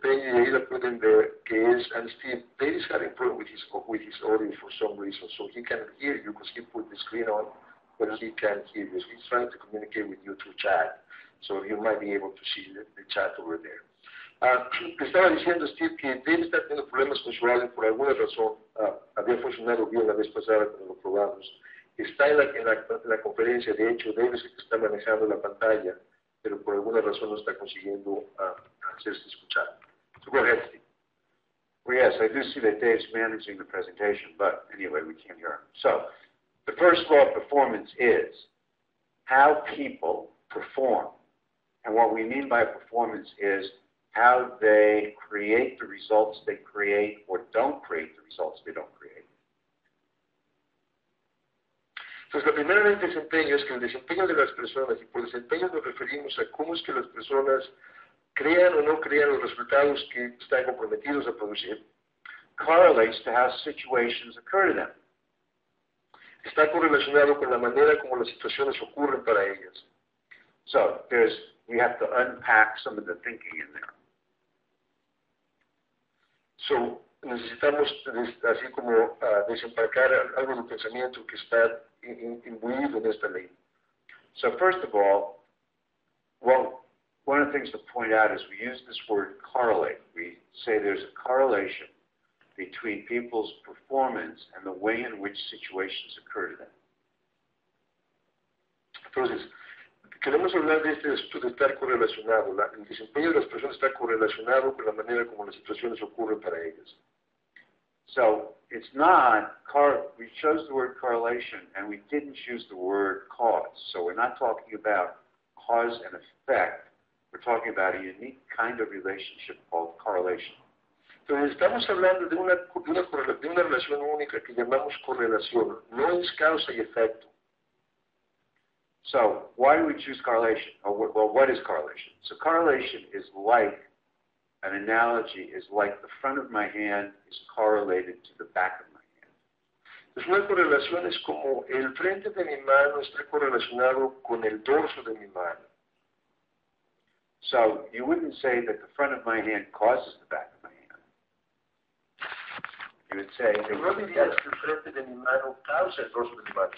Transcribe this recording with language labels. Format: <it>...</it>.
<en>David's having a problem with his audio for some reason, so he can hear you because he put the screen on, but he can't hear you. He's trying to communicate with you through chat, so you might be able to see the chat over there.</en> <es>Estaba diciendo, Steve, que David está teniendo problemas con su audio por alguna razón. Había funcionado bien la vez pasada cuando lo probamos. Está en la conferencia, de hecho, David es el que está manejando la pantalla, pero por alguna razón no está consiguiendo hacerse escuchar.</es> <en>So go ahead, Steve. Well, yes, I do see that Dave's managing the presentation, but anyway, we can't hear him. So, the first law of performance is how people perform. And what we mean by performance is how they create the results they create or don't create the results they don't create.</en> <es>Entonces, la primera ley de desempeño es que el desempeño de las personas, y por desempeño nos referimos a cómo es que las personas crean o no crean los resultados que están comprometidos a producir,</es> <en>correlates to how situations occur to them.</en> <es>Está correlacionado con la manera como las situaciones ocurren para ellas.</es> <en>So, we have to unpack some of the thinking in there.</en> <es>So, necesitamos, así como desempacar algo del pensamiento que está imbuido en esta ley.</es> <en>So, first of all, well, one of the things to point out is we use this word correlate. We say there's a correlation between people's performance and the way in which situations occur to them.</en> <es>Entonces, queremos hablar de este asunto de estar correlacionado. El desempeño de las personas está correlacionado con la manera como las situaciones ocurren para ellas.</es> <en>So, it's not, we chose the word correlation and we didn't choose the word cause. So, we're not talking about cause and effect. We're talking about a unique kind of relationship called correlation.</en> <es>Entonces, estamos hablando de una relación única que llamamos correlación. No es causa y efecto.</es> <en>So, why do we choose correlation? What is correlation? So, correlation is like, an analogy is like the front of my hand is correlated to the back of my hand.</en> <es>Entonces, una correlación es como el frente de mi mano está correlacionado con el dorso de mi mano.</es> <en>So, you wouldn't say that the front of my hand causes the back of my hand. You would say,</en> <es>¿Qué dirías que el frente de mi mano causa el rostro de mi mano?</es>